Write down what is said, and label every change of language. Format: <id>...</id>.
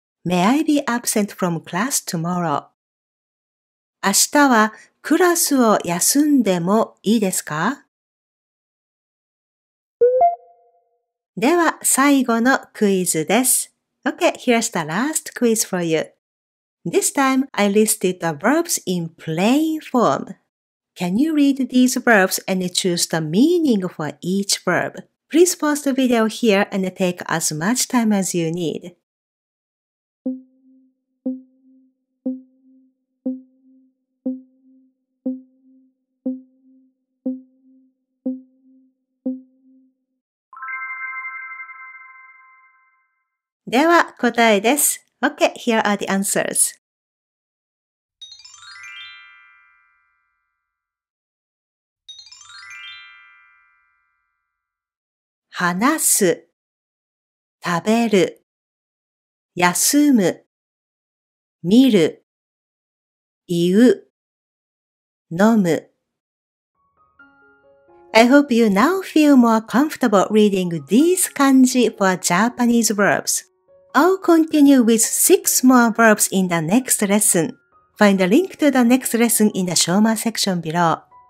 <en>May I be absent from class tomorrow?</en> <ja>明日はクラスを休んでもいいですか? では、最後のクイズです。</ja> <en>Okay, here's the last quiz for you. This time, I listed the verbs in plain form. Can you read these verbs and choose the meaning for each verb? Please pause the video here and take as much time as you need.</en> <ja>では、答えです。</ja> <en>Okay, here are the answers.</en> <ja>話す、食べる、休む、見る、言う、飲む。</ja> <en>I hope you now feel more comfortable reading these kanji for Japanese verbs. I'll continue with 6 more verbs in the next lesson. Find the link to the next lesson in the show notes section below.</en>